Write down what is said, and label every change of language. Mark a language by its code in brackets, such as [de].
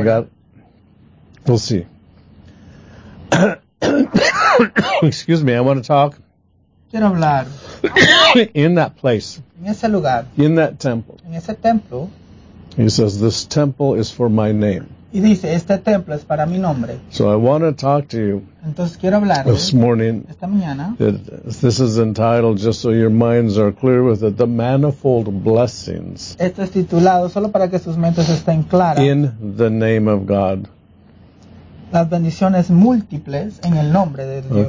[en] I got. We'll see. Excuse me. I want to talk. [es] Quiero hablar. [en] In that place. [es] En ese lugar. [en] In that temple. [es] En ese templo. [en] He says, "This temple is for my name." [es] Y dice, este templo es para mi nombre. [en] So I want to talk to you. [es] Entonces quiero hablarles [en] this morning. [es] Esta mañana. [en] This is entitled, just so your minds are clear with it, the manifold blessings. [es] Esto es titulado solo para que sus mentes estén claras. [en] In the name of God. [es] Las bendiciones múltiples en el nombre de Dios.